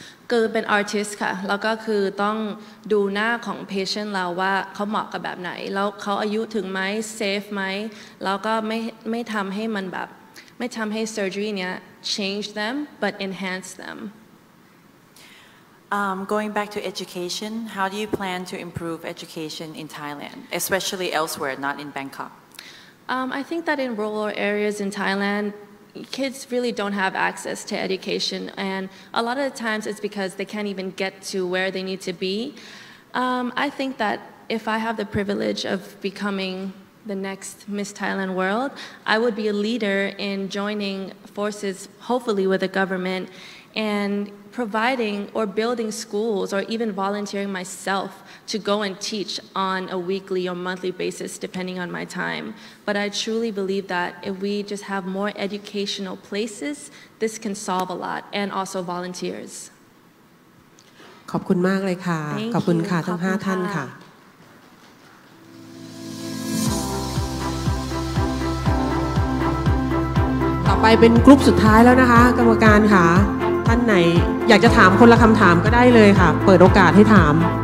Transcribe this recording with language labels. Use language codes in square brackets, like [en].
[th] คือเป็นอาร์ติสต์ค่ะแล้วก็คือต้องดูหน้าของเพชเชนเราว่าเขาเหมาะกับแบบไหนแล้วเขาอายุถึงไหมเซฟไหมแล้วก็ไม่ทำให้มันแบบไม่ทำให้เซอร์เจียนเนี้ย [en] change them but enhance them Going back to education how do you plan to improve education in Thailand especially elsewhere not in Bangkok I think that in rural areas in Thailand, kids really don't have access to education. And a lot of the times it's because they can't even get to where they need to be. I think that if I have the privilege of becoming the next Miss Thailand World, I would be a leader in joining forces, hopefully with the government, and providing or building schools or even volunteering myself. To go and teach on a weekly or monthly basis, depending on my time. But I truly believe that if we just have more educational places, this can solve a lot, and also volunteers. [th] ขอบคุณมากเลยค่ะ ขอบคุณค่ะทั้ง5ท่านค่ะต่อไปเป็นกรุ๊ปสุดท้ายแล้วนะคะกรรมการค่ะท่านไหนอยากจะถามคนละคำถามก็ได้เลยค่ะเปิดโอกาสให้ถาม